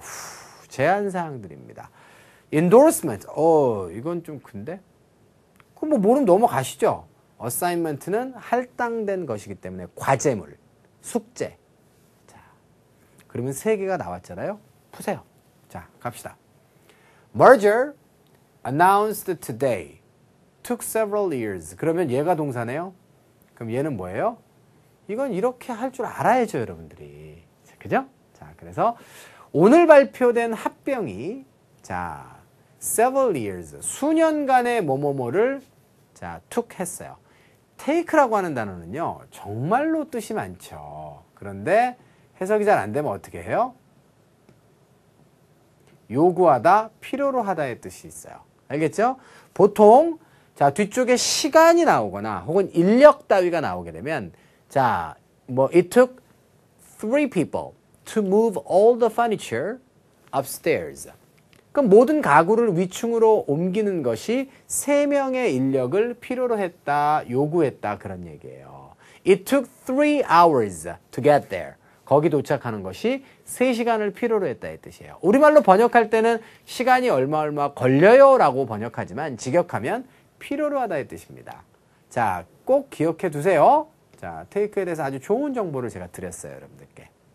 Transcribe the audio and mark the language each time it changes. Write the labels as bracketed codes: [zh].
[ko] 휴, 제안사항들입니다. Endorsement. 이건 좀 큰데? 그럼 뭐 모르면 넘어가시죠. Assignment는 할당된 것이기 때문에 과제물, 숙제. 자, 그러면 세 개가 나왔잖아요. 푸세요. 자, 갑시다. [en] Merger announced today took several years. [ko] 그러면 얘가 동사네요. 그럼 얘는 뭐예요? 이건 이렇게 할 줄 알아야죠, 여러분들이. 그죠? 자, 그래서 오늘 발표된 합병이 자, [en] several years, [ko] 수년간의 뭐뭐뭐를 자, took 했어요. take라고 하는 단어는요. 정말로 뜻이 많죠. 그런데 해석이 잘 안 되면 어떻게 해요? 요구하다, 필요로 하다의 뜻이 있어요. 알겠죠? 보통 자, 뒤쪽에 시간이 나오거나 혹은 인력 따위가 나오게 되면 자, 뭐 [en] it took three people to move all the furniture upstairs. [ko] 그럼 모든 가구를 위층으로 옮기는 것이 세 명의 인력을 필요로 했다, 요구했다 그런 얘기예요. [en] It took 3 hours to get there. [ko] 거기 도착하는 것이 3시간을 필요로 했다 이 뜻이에요. 우리말로 번역할 때는 시간이 얼마 얼마 걸려요 라고 번역하지만 직역하면 필요로 하다 이 뜻입니다. 자, 꼭 기억해 두세요. 자, 테이크에 대해서 아주 좋은 정보를 제가 드렸어요, 여러분들께.